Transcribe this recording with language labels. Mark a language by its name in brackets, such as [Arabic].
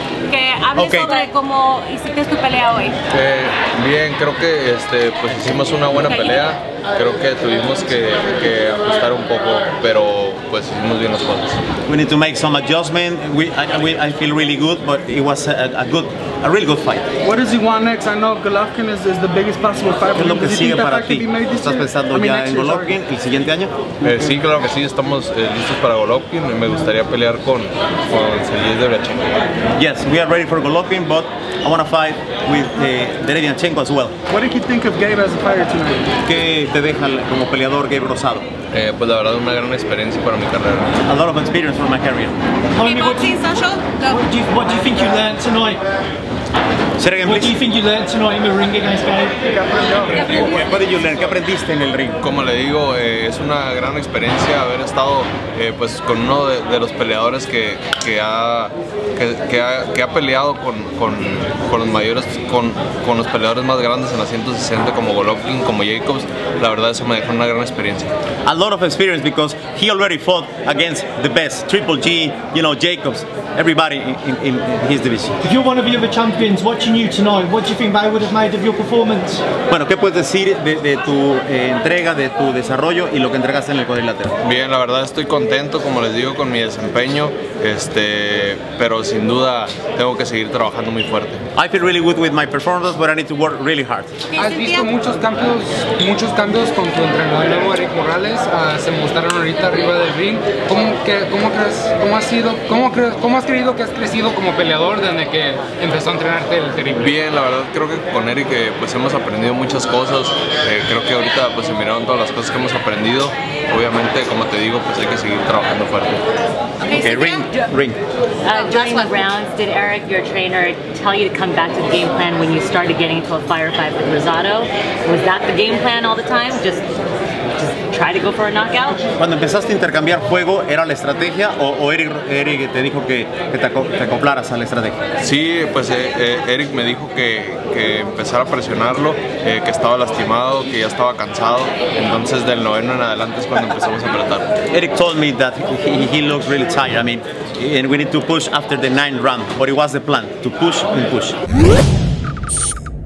[Spanish] Que hables sobre cómo hiciste tu pelea hoy. Bien, creo que pues hicimos una buena pelea. Creo que tuvimos que ajustar un poco, pero pues hicimos bien los cuadros. [English] We need to make some adjustment. I feel really good, but it was a really good fight. What does he want next? I know Golovkin is the biggest possible fight. [Spanish] ¿Qué es lo que sigue para ti? ¿Estás pensando ya en Golovkin el siguiente año? Sí, claro que sí. Estamos listos para Golovkin. Me gustaría pelear con Sergey Derevyanchenko. [English] Yes, we are ready for Golovkin, but I want to fight with Derevyanchenko as well. What did you think of Gabe as a fighter tonight? [Spanish] ¿Qué te deja como peleador Gabe Rosado? Pues la verdad una gran experiencia para mi carrera. A lot of experience for my career. [English] What do you think you learned tonight? Say it again, what do you think you learned tonight in the ring against [Spanish] Gabe? [English] What did you learn? [Spanish] ¿Qué aprendiste en el ring? Como le digo, es una gran experiencia haber estado pues con uno de los peleadores que ha peleado con los mayores, con los peleadores más grandes en la 160 como Golovkin, como Jacobs. La verdad eso me dejó una gran experiencia. [English] A lot of experience because he already fought against the best, Triple G, you know, Jacobs, everybody in his division. If you're one of the other champions watching you tonight, what do you think they would have made of your performance? [Spanish] Bueno, ¿qué puedes decir de tu entrega, de tu desarrollo y lo que entregaste en el cuadrilátero? Bien, la verdad estoy contento, como les digo, con mi desempeño, pero sin duda tengo que seguir trabajando muy fuerte. [English] I feel really good with my performance, but I need to work really hard. [Spanish] ¿Has visto muchos cambios con tu entrenador nuevo, Eric Morales? Se mostraron ahorita arriba del ring. ¿Cómo has creído que has crecido como peleador desde que empezó a entrenarte el terrible? Bien, la verdad creo que con Eric pues hemos aprendido muchas cosas. Creo que ahorita pues se miraron todas las cosas que hemos aprendido. Obviamente, como te digo, pues hay que seguir trabajando fuerte. [English] Okay, ring. During the rounds, did Eric, your trainer, tell you to come back to the game plan when you started getting into a firefight with Rosado? Was that the game plan all the time? Just try to go for a knockout? [Spanish] Cuando empezaste a intercambiar fuego, ¿era la estrategia o Eric te dijo que te acoplaras a la estrategia? Sí, pues Eric me dijo que empezara a presionarlo, que estaba lastimado, que ya estaba cansado. Entonces del noveno en adelante es cuando empezamos a apretar. [English] Eric told me that he looks really tired. I mean, and we need to push after the ninth round. But it was the plan, to push and push.